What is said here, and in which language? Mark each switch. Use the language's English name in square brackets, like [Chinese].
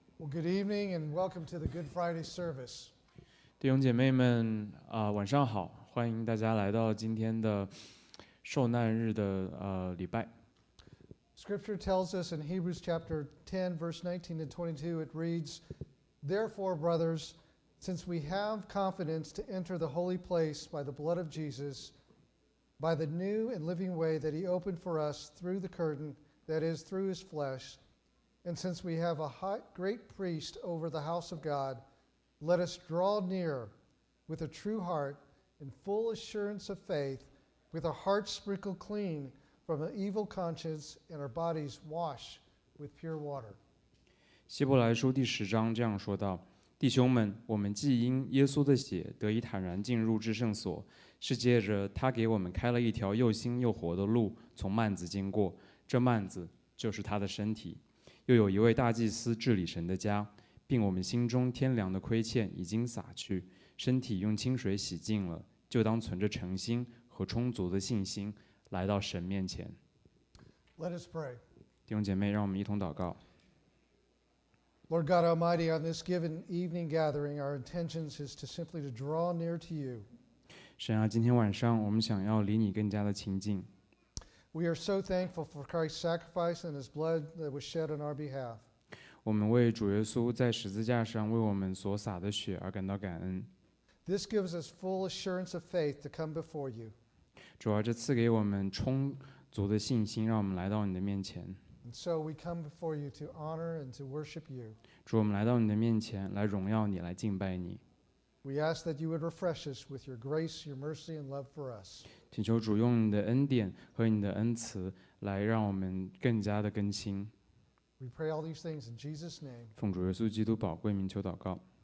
[English] Good evening and welcome to the Good Friday service. [Chinese] 弟兄姐妹们，晚上好，欢迎大家来到今天的受难日的礼拜。 [English] Scripture tells us in Hebrews chapter 10, verse 19 and 22, it reads, "Therefore, brothers, since we have confidence to enter the holy place by the blood of Jesus, by the new and living way that he opened for us through the curtain, that is, through his flesh, and since we have a high, great priest over the house of God, let us draw near with a true heart and full assurance of faith, with our hearts sprinkled clean from an evil conscience and our bodies washed with pure water." [Chinese] 希伯来书第十章这样说道，弟兄们，我们既因耶稣的血得以坦然进入至圣所，是借着他给我们开了一条又新又活的路，从幔子经过，这幔子就是他的身体。又有一位大祭司治理神的家，并我们心中天良的亏欠已经洒去，身体用清水洗净了，就当存着诚心和充足的信心来到神面前。 [English] Let us pray. [Chinese] 弟兄姐妹，让我们一同祷告。 [English] Lord God Almighty, on this given evening gathering, our intentions is to simply to draw near to you. [Chinese] 神啊，今天晚上我们想要离你更加的亲近。 [English] We are so thankful for Christ's sacrifice and his blood that was shed on our behalf. [Chinese] 我们为主耶稣在十字架上为我们所洒的血而感到感恩。 [English] This gives us full assurance of faith to come before you. [Chinese] 主啊，这赐给我们充足的信心，让我们来到你的面前。 [English] And so we come before you to honor and to worship you. [Chinese] 主，我们来到你的面前，来荣耀你，来敬拜你。 [English] We ask that you would refresh us with your grace, your mercy, and love for us. [Chinese] 请求主用你的恩典和你的恩慈来让我们更加的更新。 [English] We pray all these things in Jesus' name. [Chinese] 奉主耶稣基督宝贵名求祷告。